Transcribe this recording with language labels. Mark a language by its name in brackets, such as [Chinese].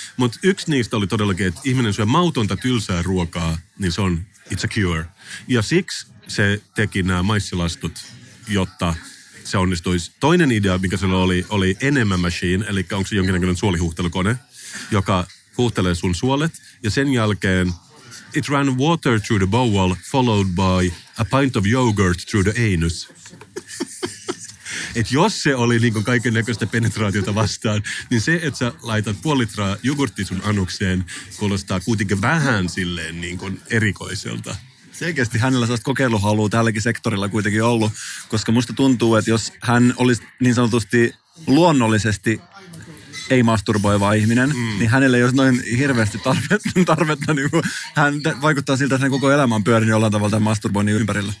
[Finnish] Mutta yksi niistä oli todellakin, että ihminen syö mautonta tylsää ruokaa, niin se on [English] it's a cure. [Finnish] Ja siksi se teki nämä maissilastut, jotta se onnistuisi. Toinen idea, mikä sillä oli enemmän machine, eli onko se jonkinnäköinen suolihuhtelukone, joka huhtelee sun suolet. Ja sen jälkeen [English] it ran water through the bowel, followed by a pint of yogurt through the anus. [Finnish] Et jos se oli niin kuin kaiken näköistä penetraatiota vastaan, niin se, että sä laitat 0,5 litraa jogurttia sun anukseen, kuulostaa kuitenkin vähän silleen niin kuin erikoiselta. Selkeästi hänellä sellaista kokeiluhalua tälläkin sektorilla kuitenkin ollut, koska musta tuntuu, että jos hän olisi niin sanotusti luonnollisesti ei masturboiva ihminen, niin hänellä ei olisi noin hirveästi tarvetta niin kuin hän vaikuttaa siltä, että hän koko elämän pyörin jollain tavalla tämän masturboinnin ympärillä.